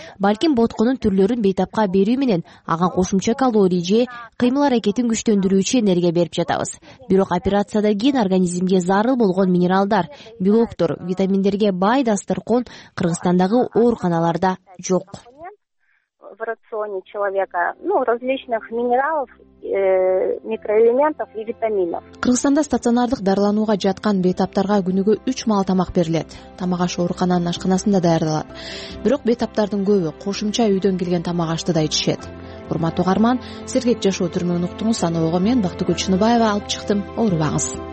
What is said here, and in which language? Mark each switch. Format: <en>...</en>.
<ky>Балким боткунун түрлөрүн бейтапка берүү менен ага кошумча калорий же кыймыл аракетин күчтөндүрүүчү энергия берип жатабыз. Бирок операцияда кийин организмге зарыл болгон минералдар, белоктор, витаминдерге бай дастыркон Кыргызстандагы ооруканаларда жок.</ky> <ru>В рационе человека, различных минералов, микроэлементов и витаминов.</ru> <ky>Кыргызстанда стационардык дарыланууга жаткан бейтаптарга күнүгө 3 маал тамак берилет. Тамак аш оорукананын ашканасында даярдалат. Бирок бейтаптардын көбү кошумча үйдөн келген тамак ашты да ичишет. Урматтуу каарман, сергек жашоо түрмө уктуңуз саноого мен Бактыгүл Чыныбаева алып чыктым. Оорубаңыз.</ky>